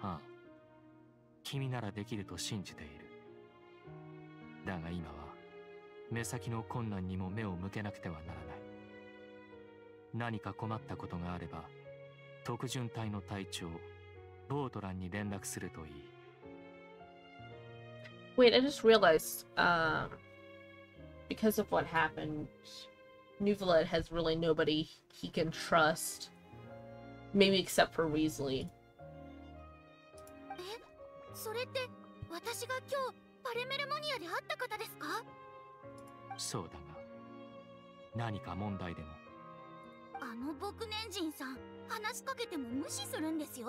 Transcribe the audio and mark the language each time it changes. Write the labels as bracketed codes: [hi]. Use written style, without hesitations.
[ja] ああ、君ならできると信じている。だが今は目先の困難にも目を向けなくてはならない。何か困ったことがあれば、特巡隊の隊長、ボートランに連絡するといい。 [en] Wait, I just realized, because of what happened, Nuvalet has really nobody he can trust. Maybe except for Weasley. [ja] え、それって私が今日パレメルモニアで会った方ですか？そうだが、何か問題でも。あの僕年人さん、話しかけても無視するんですよ。